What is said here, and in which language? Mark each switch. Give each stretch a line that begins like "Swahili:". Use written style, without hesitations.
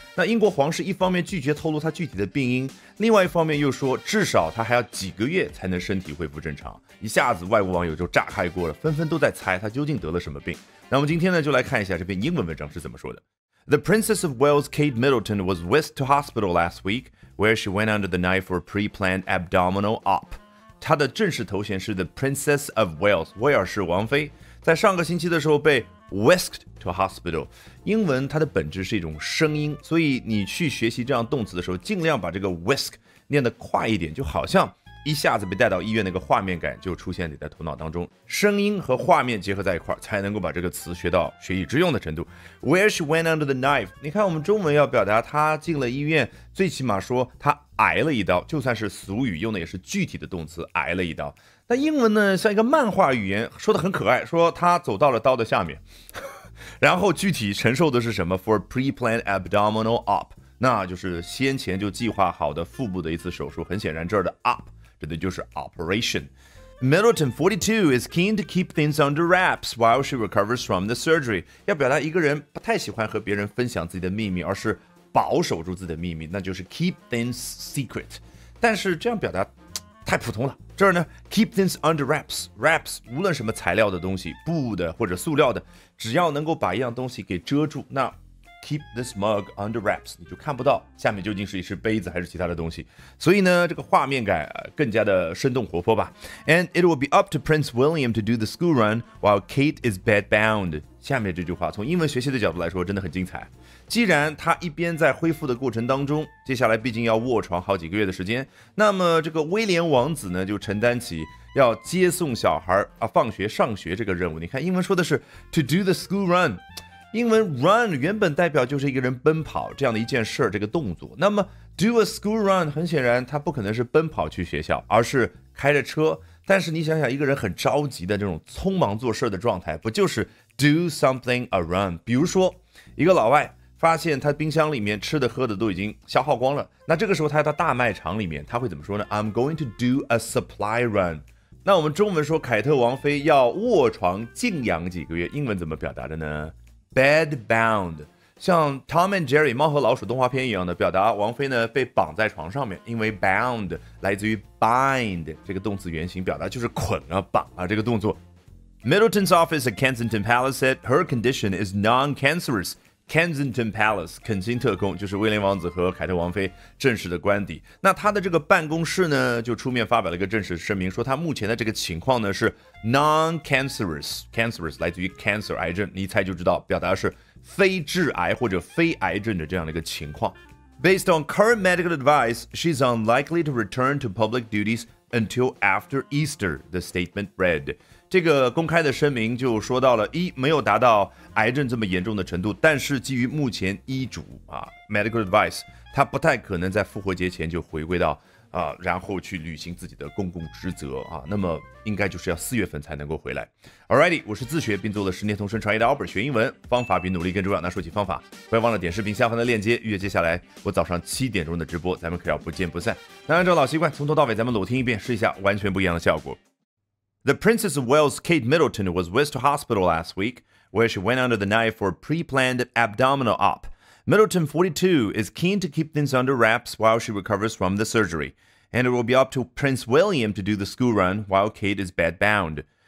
Chinese: 那英国皇室一方面拒绝透露她具体的病因，另外一方面又说至少她还要几个月才能身体恢复正常，一下子外国网友就炸开锅了，纷纷都在猜她究竟得了什么病。那我们今天呢，就来看一下这篇英文文章是怎么说的。
English: The Princess of Wales Kate Middleton was whisked to hospital last week where she went under the knife for a pre-planned abdominal op.
Chinese: 她的正式头衔是 The Princess of Wales， 威尔士王妃，在上个星期的时候被
English: whisked to hospital。
Chinese: 英文它的本质是一种声音，所以你去学习这样动词的时候，尽量把这个 whisk 念得快一点，就好像一下子被带到医院，那个画面感就出现你的头脑当中，声音和画面结合在一块，才能够把这个词学到学以致用的程度。
English: Where she went under the knife，
Chinese: 你看我们中文要表达她进了医院，最起码说她挨了一刀，就算是俗语用的也是具体的动词，挨了一刀。那英文呢，像一个漫画语言，说得很可爱，说她走到了刀的下面，然后具体承受的是什么
English: for pre-planned abdominal op，
Chinese: 那就是先前就计划好的腹部的一次手术。很显然这儿的 op指的就是 operation。
English: Middleton 42 is keen to keep things under wraps while she recovers from the surgery，
Chinese: 要表达一个人不太喜欢和别人分享自己的秘密，而是保守住自己的秘密，那就是
English: keep things secret。
Chinese: 但是这样表达太普通了，这儿呢
English: keep things under wraps，
Chinese: wraps 无论什么材料的东西，布的或者塑料的，只要能够把一样东西给遮住，那
English: Keep this mug under wraps，
Chinese: 你就看不到下面究竟是一只杯子还是其他的东西，所以呢这个画面感更加的生动活泼吧。
English: And it will be up to Prince William to do the school run while Kate is bedbound。
Chinese: 下面这句话从英文学习的角度来说真的很精彩，既然他一边在恢复的过程当中，接下来毕竟要卧床好几个月的时间，那么这个威廉王子呢就承担起要接送小孩啊放学上学这个任务。你看英文说的是
English: to do the school run，
Chinese: 英文 run 原本代表就是一个人奔跑这样的一件事，这个动作。那么
English: do a school run
Chinese: 很显然他不可能是奔跑去学校，而是开着车。但是你想想一个人很着急的这种匆忙做事的状态，不就是
English: do something a run？
Chinese: 比如说一个老外发现他冰箱里面吃的喝的都已经消耗光了，那这个时候他要到大卖场里面，他会怎么说呢？
English: I'm going to do a supply run。
Chinese: 那我们中文说凯特王妃要卧床静养几个月，英文怎么表达的呢？ Bedbound， 像 Tom and Jerry 猫和老鼠动画片一样的表达王妃呢被绑在床上面，因为 bound 来自于 bind 这个动词原型，表达就是捆啊绑啊这个动作。
English: Middleton's office at Kensington Palace said her condition is non-cancerous。
Chinese: Kensington Palace 肯辛特宫就是威廉王子和凯特王妃正式的官邸，那他的这个办公室呢就出面发表了一个正式声明，说他目前的这个情况呢是non-cancerous， cancerous 来自于 cancer 癌症，你一猜就知道表达是非致癌或者非癌症的这样的一个情况。
English: Based on current medical advice she's unlikely to return to public duties until after Easter， the statement read。
Chinese: 这个公开的声明就说到了，一没有达到癌症这么严重的程度，但是基于目前医嘱啊
English: medical advice，
Chinese: 他不太可能在复活节前就回归到啊，然后去履行自己的公共职责啊，那么应该就是要4月份才能够回来。 Alrighty， 我是自学并做了10年同声传译的 Albert， 学英文方法比努力更重要。那说起方法，不要忘了点视频下方的链接预约接下来我早上7点的直播，咱们可要不见不散。那按照老习惯，从头到尾咱们裸听一遍，试一下完全不一样的效果。
English: The Princess of Wales Kate Middleton was whisked to hospital last week where she went under the knife for a pre-planned abdominal op. Middleton, 42, is keen to keep things under wraps while she recovers from the surgery, and it will be up to Prince William to do the school run while Kate is bedbound.